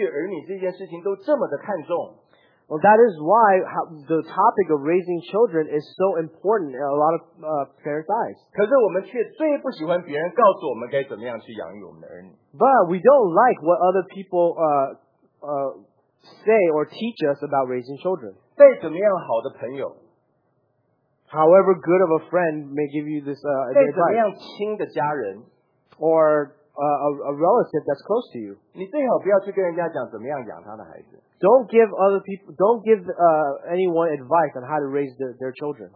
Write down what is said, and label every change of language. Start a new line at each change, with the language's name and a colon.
Chinese: 这也就是为什么大家对于养育儿女这件事情都这么的看重。
English: Well, that is why the topic of raising children is so important in a lot of parents' eyes.
Chinese: 可是我们却最不喜欢别人告诉我们该怎么样去养育我们的儿女。
English: But we don't like what other people say or teach us about raising children.
Chinese: 再怎么样好的朋友。
English: However good of a friend may give you this advice, or a relative that's close to you, don't give anyone advice on how to raise their children.